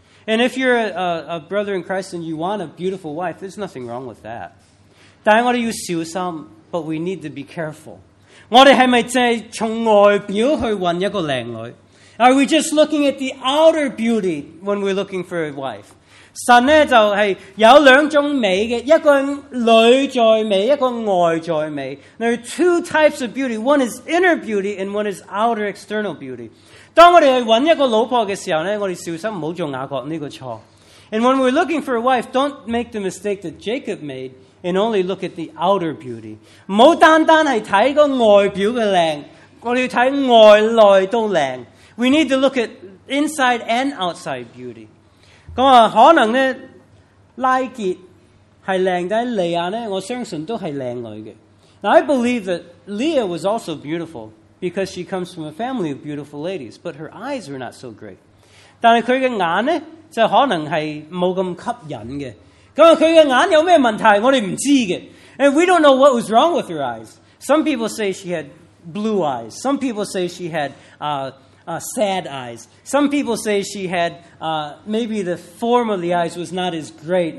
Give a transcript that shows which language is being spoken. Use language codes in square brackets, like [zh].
[en] And if you're a brother in Christ and you want a beautiful wife, there's nothing wrong with that. [yue] 但系我哋要小心 ， [en] but we need to be careful. [yue] 我哋系咪净系从外表去揾一个靓女 [en] ？Are we just looking at the outer beauty when we're looking for a wife？ [yue] 神咧就系有两种美嘅，一个女在美，一个外在美。 [en] There are two types of beauty. One is inner beauty, and one is outer external beauty. [yue] 当我哋去揾一个老婆嘅时候咧，我哋小心唔好做雅各呢个错。 [en] And when we're looking for a wife, don't make the mistake that Jacob made. And only look at the outer beauty. [yue] 唔好单单系睇个外表嘅靓，我哋要睇外内都靓。 [en] We need to look at inside and outside beauty. [yue] 咁啊，可能咧，拉结系靓，但系利亚咧，我相信都系靓女嘅。 [en] Now, I believe that Leah was also beautiful because she comes from a family of beautiful ladies, but her eyes were not so great. [yue] 但系佢嘅眼咧，就可能系冇咁吸引嘅。咁佢嘅眼有咩问题？我哋唔知嘅。 [en] And we don't know what was wrong with her eyes. Some people say she had blue eyes. Some people say she had sad eyes. Some people say she had maybe the form of the eyes was not as great.